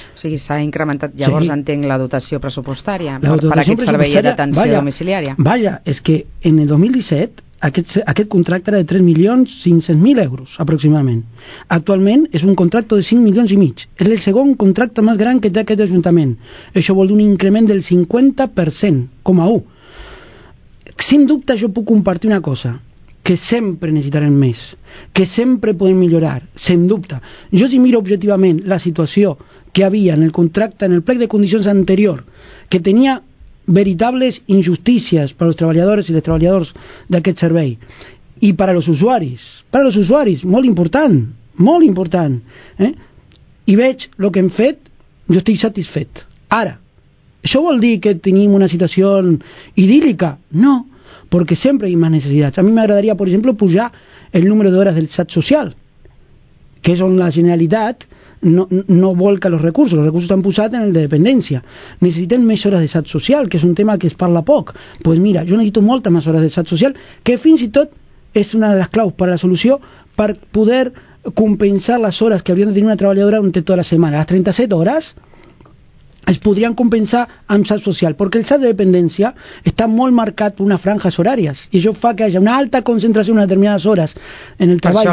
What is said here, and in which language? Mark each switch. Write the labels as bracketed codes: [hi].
[ca] O sigui, s'ha incrementat, llavors sí. Entenc, la dotació pressupostària per aquest servei d'atenció domiciliària. Vaja, és que en el 2017 aquest contracte era de 3.500.000 euros, aproximadament. Actualment és un contracte de 5 milions i mig. És el segon contracte més gran que té aquest Ajuntament. Això vol dir un increment del 50%, 0,1%. [es] Sin [ca] dubte [es] yo puedo compartir una cosa, que siempre necesitarán más, que siempre pueden mejorar, sin [ca] dubte. [es] Yo si miro objetivamente la situación que había en el contrato, en el [ca] plec [es] de condiciones anterior, que tenía [ca] veritables [es] injusticias para los trabajadores y las trabajadoras de aquel [ca] servei, [es] y para los usuarios, muy importante, y [ca] veig lo que han fet, [es] yo estoy satisfecho. Ahora, ¿eso [ca] vol dir que tenim [es] una situación idílica? No, porque siempre hay más necesidades. A mí me agradaría, por ejemplo, [ca] pujar [es] el número de horas del SAT social, que es donde la Generalitat no [ca] volca [es] los recursos están [ca] posats [es] en el [ca] de dependència. Necessitem més hores de SAT social, que és un tema que es parla poc. [es] Pues mira, [ca] jo necessito moltes més hores de SAT social, que fins i tot és una de les claus per a la solució, per poder compensar les hores que havia de tenir una treballadora durant tota la setmana. Les 37 hores es podrien compensar amb SAT social, perquè el SAT de dependència està molt marcat per unes franges horàries, i això fa que hi hagi una alta concentració en determinades hores en el treball.